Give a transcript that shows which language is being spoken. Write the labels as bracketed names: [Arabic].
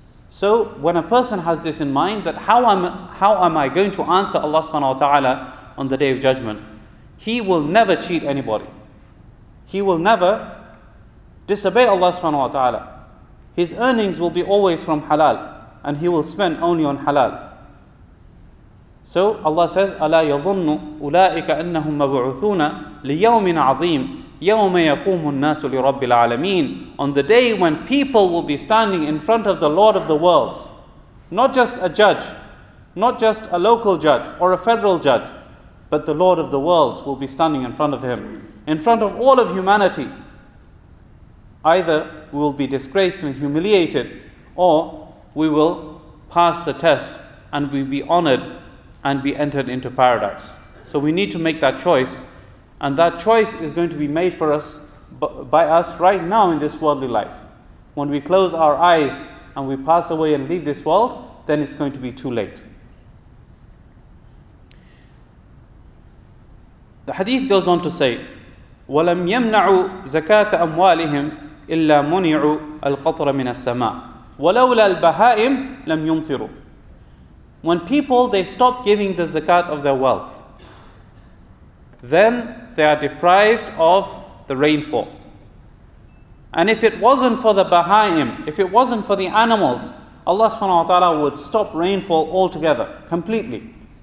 [English] So when a person has this in mind, that how am I going to answer Allah subhanahu wa ta'ala on the Day of Judgment, he will never cheat anybody. He will never disobey Allah subhanahu wa ta'ala. His earnings will be always from halal, and he will spend only on halal. So Allah says, [Arabic] أَلَا يَظُنُّ أُولَٰئِكَ أَنَّهُمْ مَبْعُثُونَ لِيَوْمٍ عَظِيمٍ يَوْمَ يَقُومُ النَّاسُ لِرَبِّ الْعَالَمِينَ. [English] On the day when people will be standing in front of the Lord of the worlds, not just a judge, not just a local judge or a federal judge, but the Lord of the worlds will be standing in front of him, in front of all of humanity. Either we will be disgraced and humiliated, or we will pass the test and we'll be honored and be entered into paradise. So we need to make that choice, and that choice is going to be made for us by us right now in this worldly life. When we close our eyes and we pass away and leave this world, then it's going to be too late. The hadith goes on to say, [Arabic] وَلَمْ يَمْنَعُوا زَكَاةَ أَمْوَالِهِمْ إِلَّا مُنِعُوا الْقَطْرَ مِنَ السَّمَاءِ وَلَوْلَا الْبَهَائِمْ لَمْ يُمْطِرُوا. [English] When people, they stop giving the zakat of their wealth, then they are deprived of the rainfall. And if it wasn't for the Baha'im, if it wasn't for the animals, Allah subhanahu wa ta'ala would stop rainfall altogether, completely.